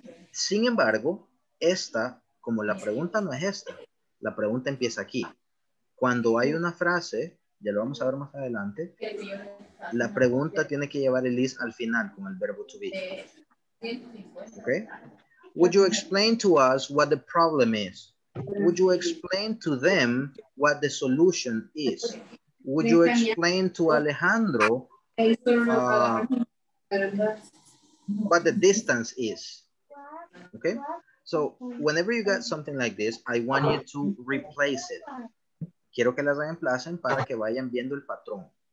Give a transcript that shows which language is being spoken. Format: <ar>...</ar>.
<es>Sin embargo, esta, como la pregunta no es esta, la pregunta empieza aquí. Cuando hay una frase, ya lo vamos a ver más adelante, la pregunta tiene que llevar el is al final con el verbo to be.</es> <en>Okay. Would you explain to us what the problem is? Would you explain to them what the solution is? Would you explain to Alejandro what the distance is? Okay. So whenever you got something like this, I want you to replace it.</en> <es>Quiero que las reemplacen para que vayan viendo el patrón.</es>